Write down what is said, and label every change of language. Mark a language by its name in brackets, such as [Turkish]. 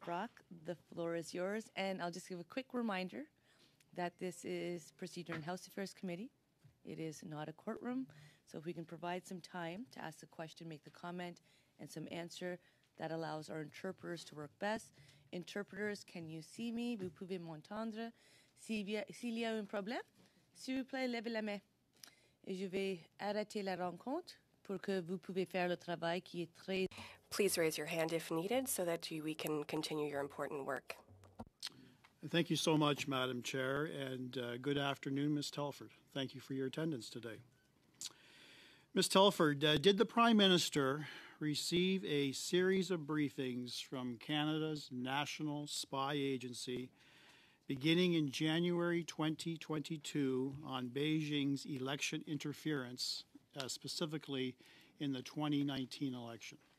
[English] Brock, the floor is yours. And I'll just give a quick reminder that this is procedure in House Affairs Committee. It is not a courtroom. So if we can provide some time to ask the question, make the comment, and some answer, that allows our interpreters to work best. Interpreters, can you see me? [French] Vous pouvez m'entendre? S'il y a un problème, s'il vous plaît, levez la main. Et je vais arrêter la rencontre pour que vous pouvez faire le travail qui est très... [English] Please raise your hand if needed so that we can continue your important work. Thank you so much, Madam Chair, and good afternoon, Ms. Telford. Thank you for your attendance today. Ms. Telford, did the Prime Minister receive a series of briefings from Canada's National Spy Agency beginning in January 2022 on Beijing's election interference, specifically in the 2019 election?